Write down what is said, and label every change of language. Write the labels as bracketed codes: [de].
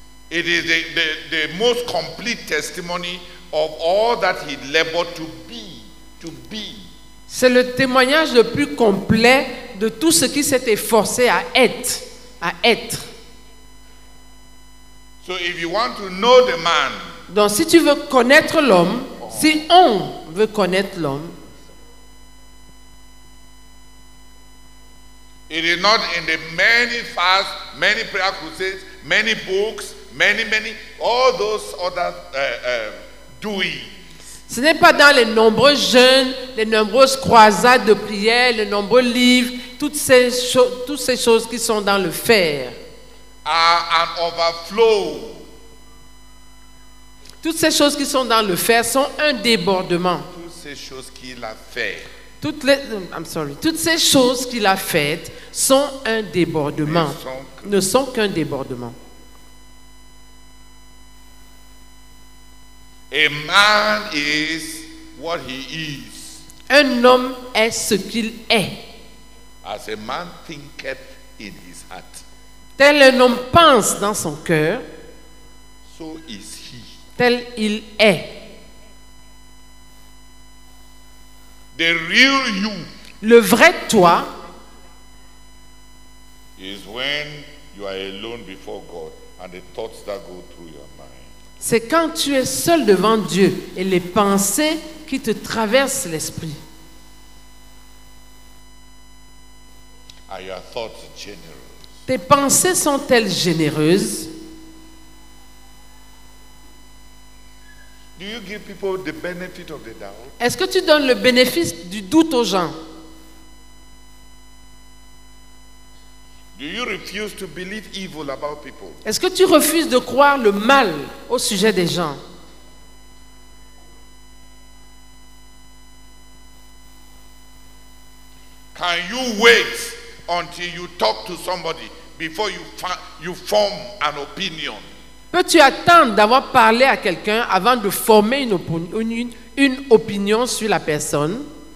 [en] It is the most complete testimony of all that he labored to be. [fr] C'est le témoignage le plus complet de tout ce qu'il s'est efforcé à être. [en] So if you want to know the man, [fr] donc si tu veux connaître l'homme, si on veut connaître l'homme, [en] it is not in the many fasts, many prayer crusades, many books, many all those other doings. [fr] Ce n'est pas dans les nombreux jeûnes, les nombreuses croisades de prière, les nombreux livres, toutes ces choses qui sont dans le faire. [en] An overflow. [fr] Toutes ces choses qui sont dans le faire sont un débordement. Toutes ces choses qu'il a faites. Toutes ces choses qu'il a faites sont un débordement. Ne sont qu'un débordement. [en] A man is what he is. [fr] Un homme est ce qu'il est. [en] As a man thinketh in his heart. [fr] Tel un homme pense dans son cœur. [en] So is he. [fr] Tel il est. [en] The real you. [fr] Le vrai toi. [en] Is when you are alone before God and the thoughts that go through your mind. [fr] C'est quand tu es seul devant Dieu et les pensées qui te traversent l'esprit. [en] Are your thoughts generous? [fr] Tes pensées sont-elles généreuses? [en] Do you give people the benefit of the doubt? [fr] Est-ce que tu donnes le bénéfice du doute aux gens? [en] Do you refuse to believe evil about people? [fr] Est-ce que tu refuses de croire le mal au sujet des gens? [en] Can you wait until you talk to somebody before you form an opinion? [fr] Peux-tu attendre d'avoir parlé à quelqu'un avant de former une opinion sur la personne?